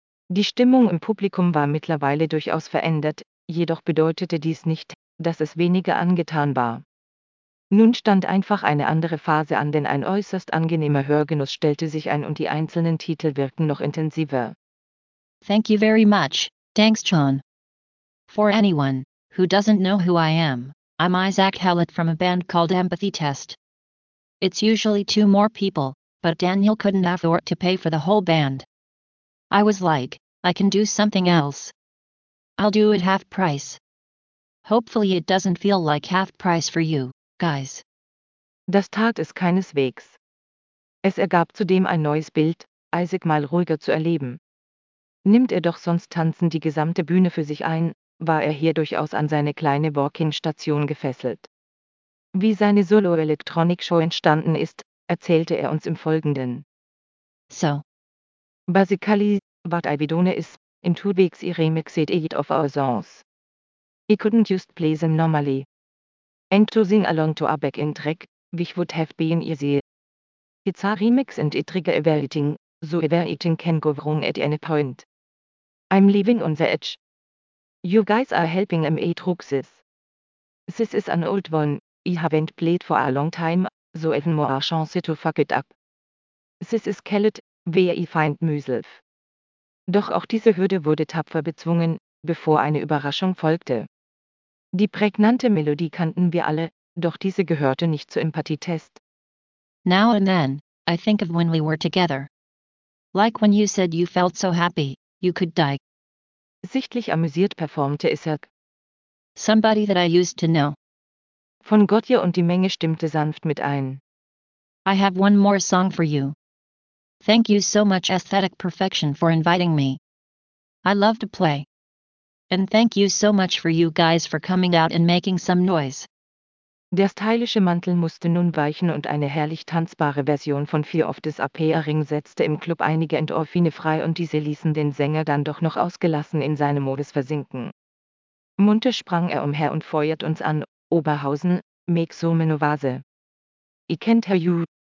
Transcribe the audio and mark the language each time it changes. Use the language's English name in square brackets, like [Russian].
[German] Die Stimmung im Publikum war mittlerweile durchaus verändert, jedoch bedeutete dies nicht, dass es weniger angetan war. Nun stand einfach eine andere Phase an, denn ein äußerst angenehmer Hörgenuss stellte sich ein und die einzelnen Titel wirkten noch intensiver. [English] Thank you very much, thanks John. For anyone who doesn't know who I am, I'm Isaac Hallett from a band called Empathy Test. It's usually two more people, but Daniel couldn't afford to pay for the whole band. I was like, I can do something else. I'll do it half price. Hopefully it doesn't feel like half price for you, guys. [German] Das tat es keineswegs. Es ergab zudem ein neues Bild, Isaac mal ruhiger zu erleben. Nimmt er doch sonst tanzend die gesamte Bühne für sich ein, war er hier durchaus an seine kleine Walk-in-Station gefesselt. Wie seine Solo-Electronic-Show entstanden ist, erzählte er uns im Folgenden. [English] So. Basically, what I've done is, in 2 weeks I remixed 8 of our songs. I couldn't just play them normally. And to sing along to a back-end track, which would have been easy. It's a remix and it trigger everything, so everything can go wrong at any point. I'm leaving on the edge. You guys are helping me through this. This is an old one, I haven't played for a long time, so even more chance to fuck it up. This is Kellet, where I find myself. [German] Doch auch diese Hürde wurde tapfer bezwungen, bevor eine Überraschung folgte. Die prägnante Melodie kannten wir alle, doch diese gehörte nicht zu Empathietest. [English] Now and then, I think of when we were together. Like when you said you felt so happy, you could die. [German] Sichtlich amüsiert performte Isaac. [English] Somebody that I used to know. [German] Von Gottje und die Menge stimmte sanft mit ein. [English] I have one more song for you. Thank you so much Aesthetic Perfection for inviting me. I love to play. And thank you so much for you guys for coming out and making some noise. [German] Der stylische Mantel musste nun weichen und eine herrlich tanzbare Version von Fear of Disappearing setzte im Club einige Endorphine frei und diese ließen den Sänger dann doch noch ausgelassen in seinem Modus versinken. Munter sprang er umher und feuert uns an, Oberhausen, [English] make so many noise. I can't hear you.